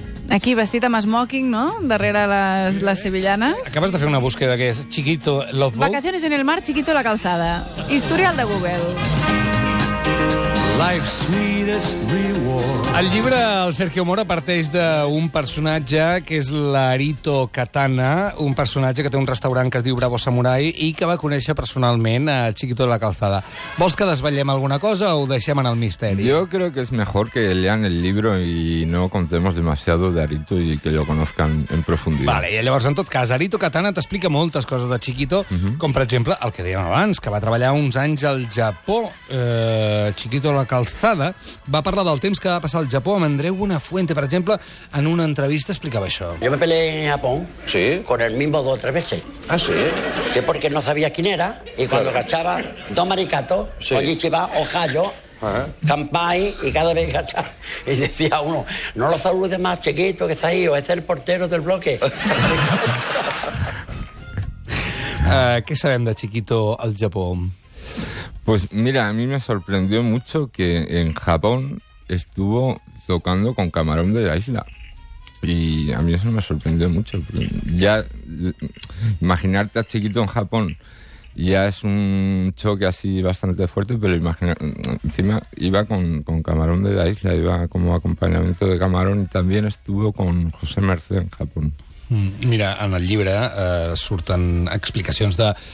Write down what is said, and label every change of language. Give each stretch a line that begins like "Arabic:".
Catalan: Aquí, vestit amb smoking, no?, darrere les sevillanes. Acabes de fer una búsqueda que és Chiquito Love Boat.
Spanish: Vacaciones en el mar, Chiquito la calzada. Historial de Google.
English: Life's sweetest reward.
Catalan: El llibre, el Sergio Mora, parteix d'un personatge que és l'Arito Katana, un personatge que té un restaurant que es diu Bravo Samurai i que va conèixer personalment a Chiquito de la Calzada. Vols que desvetllem alguna cosa o ho deixem en el misteri?
Spanish: Yo creo que es mejor que lean el libro y no contemos demasiado de Arito y que lo conozcan en profundidad.
Catalan: Vale, i llavors, en tot cas, Arito Katana t'explica moltes coses de Chiquito, com per exemple el que dèiem abans, que va treballar uns anys al Japó. Chiquito la Calzada va parlar del temps que va passar al Japó amb Andreu Buenafuente, per exemple, en una entrevista explicava això.
Spanish: Yo me peleé en Japón. Sí. Con el mismo dos o tres veces. Ah, sí. Sí, porque no sabía quién era y cuando gachaba dos maricatos, sí. Ojichiba, Ohayo, Kampai, y cada vez gachaba y decía uno, no lo saludes más, Chiquito, que está ahí, o es el portero del bloque.
Catalan: ¿Qué sabem de Chiquito al Japó?
Spanish: Pues mira, a mí me sorprendió mucho que en Japón estuvo tocando con Camarón de la Isla. Y a mí eso me sorprendió mucho. Ya imaginarte a Chiquito en Japón ya es un choque así bastante fuerte, pero encima iba con Camarón de la Isla, iba como acompañamiento de Camarón y también estuvo con José Mercé en Japón.
Catalan: Mira, en el llibre surten explicacions de...